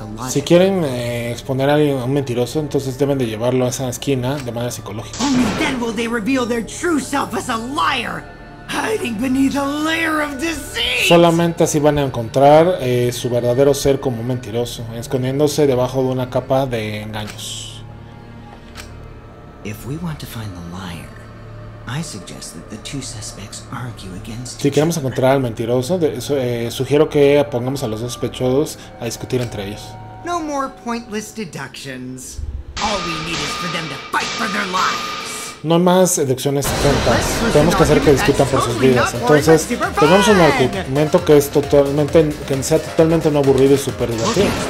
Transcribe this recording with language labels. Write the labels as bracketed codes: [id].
[es] Si quieren exponer a alguien a un mentiroso, entonces deben de llevarlo a esa esquina de manera psicológica. [en] Only then will they reveal their true self as a liar, hiding beneath a layer of deceit. [es] Solamente así van a encontrar su verdadero ser como un mentiroso, escondiéndose debajo de una capa de engaños. [en] If we want to find the liar, I suggest that the two suspects argue against. [es] Si queremos encontrar al mentiroso, sugiero que pongamos a los dos sospechosos a discutir entre ellos. [en] No more pointless deductions. All we need is for them to fight for their lives. [es] No más deducciones tontas. Tenemos que hacer que discutan por sus vidas. Entonces, tengamos un argumento que es totalmente, que sea totalmente no aburrido y súper divertido.